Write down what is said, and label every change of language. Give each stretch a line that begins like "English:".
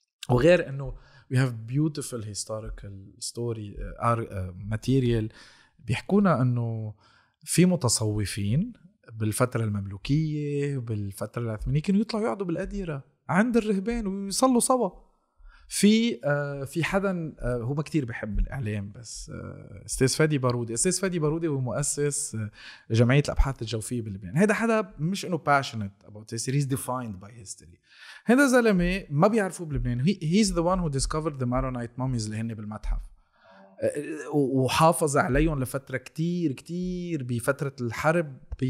Arabic: وغير أنه
English: we have beautiful historical story material
Arabic: بيحكونا أنه في متصوفين بالفترة المملوكية بالفترة العثمانية كانوا يطلعوا يقعدوا بالأديرة عند الرهبان ويصلوا صوا. في حدا هو ما كتير بحب الإعلام، بس أستاذ فادي بارودي. أستاذ فادي بارودي هو مؤسس جمعية الأبحاث الجوفية بلبنان. هذا حدا مش إنه
English: passionate about history، he's defined by history.
Arabic: هذا زلمة ما بيعرفوا بلبنان،
English: he's the one who discovered the Maronite mummies
Arabic: اللي هن بالمتحف وحافظ عليهم لفترة كتير كتير بفترة الحرب.